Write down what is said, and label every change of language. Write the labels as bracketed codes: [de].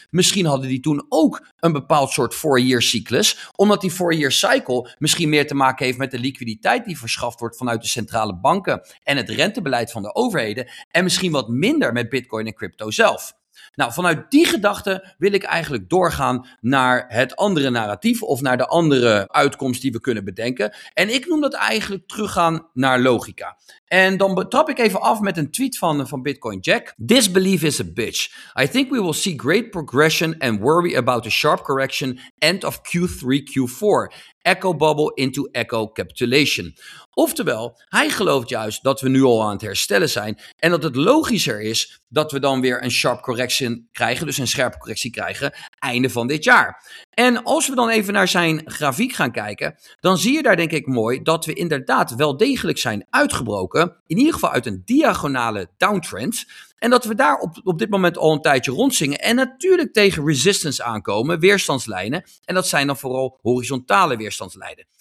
[nl] Misschien hadden die toen ook een bepaald soort 4-year cyclus, omdat die 4-year cycle misschien meer te maken heeft met de liquiditeit die verschaft wordt vanuit de centrale banken en het rentebeleid van de overheden en misschien wat minder met Bitcoin en crypto zelf. Nou, vanuit die gedachte wil ik eigenlijk doorgaan naar het andere narratief of naar de andere uitkomst die we kunnen bedenken. En ik noem dat eigenlijk teruggaan naar logica. En dan trap ik even af met een tweet van Bitcoin Jack. [en] Disbelief is a bitch. I think we will see great progression and worry about a sharp correction end of Q3, Q4. Echo bubble into echo capitulation. [nl] Oftewel, hij gelooft juist dat we nu al aan het herstellen zijn en dat het logischer is dat we dan weer een sharp correction krijgen, dus een scherpe correctie krijgen, einde van dit jaar. En als we dan even naar zijn grafiek gaan kijken, dan zie je daar denk ik mooi dat we inderdaad wel degelijk zijn uitgebroken, in ieder geval uit een diagonale downtrend, en dat we daar op dit moment al een tijdje rondzingen en natuurlijk tegen resistance aankomen, weerstandslijnen, en dat zijn dan vooral horizontale weerstandslijnen.